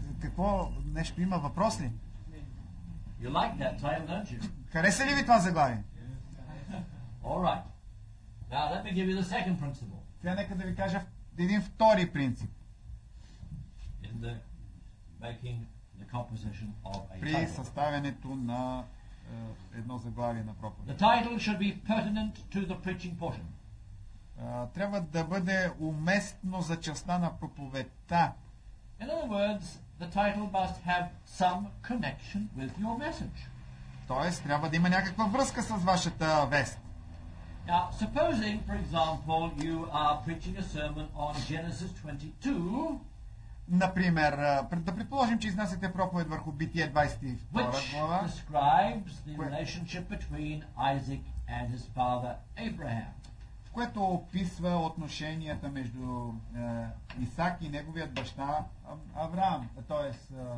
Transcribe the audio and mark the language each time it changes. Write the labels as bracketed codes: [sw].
[bg] Какво нещо има въпрос ли? [en] You like that title, don't you? [bg] Хареса ли ви това заглавие? [en] All right. Now let me give you the second principle. [bg] Сега нека да ви кажа един втори принцип. [en] In the making the composition of a [bg] при съставянето на едно заглавие на проповед. [en] The title should be pertinent to the preaching portion. [bg] Трябва да бъде уместно за частта на проповедта. [en] In other words, the title must have some connection with your message. [bg] Тоест, трябва да има някаква връзка с вашата вест. [en] Now, supposing, for example, you are preaching a sermon on Genesis 22. [bg] Например, да предположим, че изнасяте проповед върху Битие 22 глава, [en] which describes the relationship between Isaac and his father Abraham. [bg] Което описва отношенията между Исак и неговият баща Авраам, т.е.